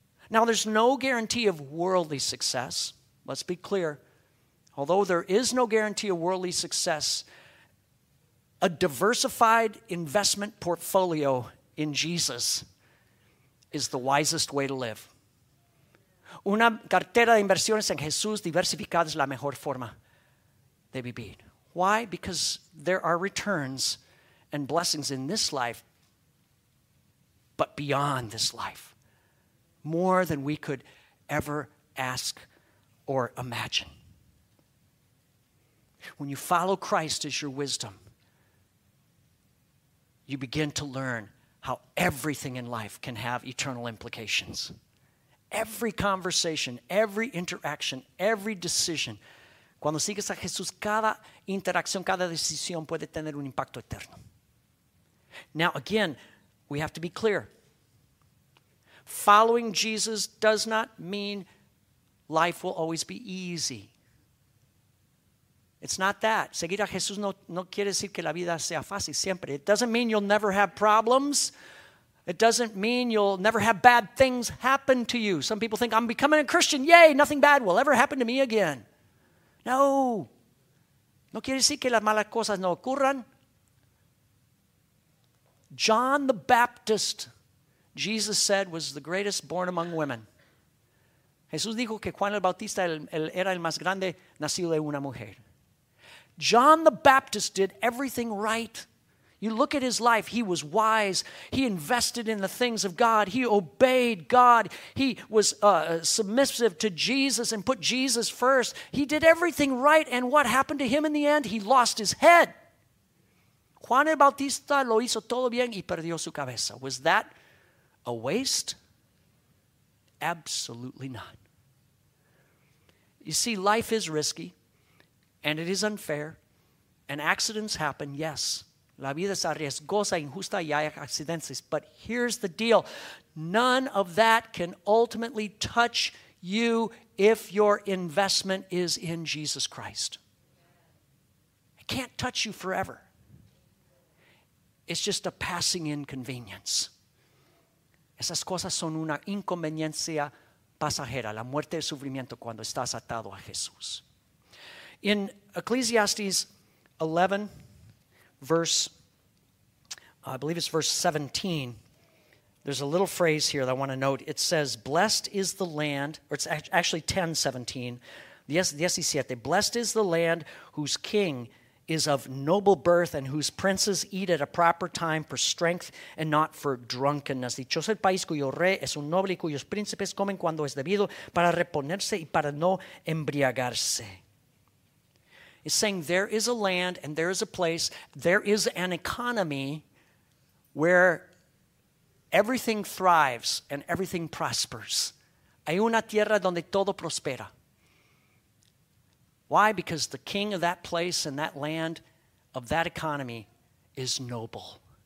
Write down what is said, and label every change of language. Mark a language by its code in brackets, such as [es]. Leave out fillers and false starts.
[en] Now, there's no guarantee of worldly success. Let's be clear. Although there is no guarantee of worldly success, a diversified investment portfolio in Jesus is the wisest way to live. [es] Una cartera de inversiones en Jesús diversificada es la mejor forma de vivir. [en] Why? Because there are returns and blessings in this life, but beyond this life, more than we could ever ask or imagine. When you follow Christ as your wisdom, you begin to learn how everything in life can have eternal implications. Every conversation, every interaction, every decision. [es] Cuando sigues a Jesús, cada interacción, cada decisión puede tener un impacto eterno. [en] Now, again, we have to be clear. Following Jesus does not mean life will always be easy. It's not that. [es] Seguir a Jesús no quiere decir que la vida sea fácil siempre. [en] It doesn't mean you'll never have problems. It doesn't mean you'll never have bad things happen to you. Some people think, I'm becoming a Christian. Yay, nothing bad will ever happen to me again. No. [es] No quiere decir que las malas cosas no ocurran. [en] John the Baptist, Jesus said, was the greatest born among women. [es] Jesús dijo que Juan el Bautista era el más grande nacido de una mujer. [en] John the Baptist did everything right. You look at his life, he was wise. He invested in the things of God. He obeyed God. He was submissive to Jesus and put Jesus first. He did everything right, and what happened to him in the end? He lost his head. [es] Juan el Bautista lo hizo todo bien y perdió su cabeza. [en] Was that a waste? Absolutely not. You see, life is risky. And it is unfair. And accidents happen, yes. [es] La vida es arriesgosa, injusta y hay accidentes. [en] But here's the deal. None of that can ultimately touch you if your investment is in Jesus Christ. It can't touch you forever. It's just a passing inconvenience. [es] Esas cosas son una inconveniencia pasajera, la muerte y el sufrimiento cuando estás atado a Jesús. [en] In Ecclesiastes 11, verse 17, there's a little phrase here that I want to note. It says, blessed is the land, or it's actually 10:17, blessed is the land whose king is of noble birth and whose princes eat at a proper time for strength and not for drunkenness. [es] Dichoso el país cuyo rey es un noble y cuyos príncipes comen cuando es debido para reponerse y para no embriagarse. [en] It's saying there is a land and there is a place, there is an economy where everything thrives and everything prospers. [es] Hay una tierra donde todo prospera. [en] Why? Because the king of that place and that land of that economy is noble.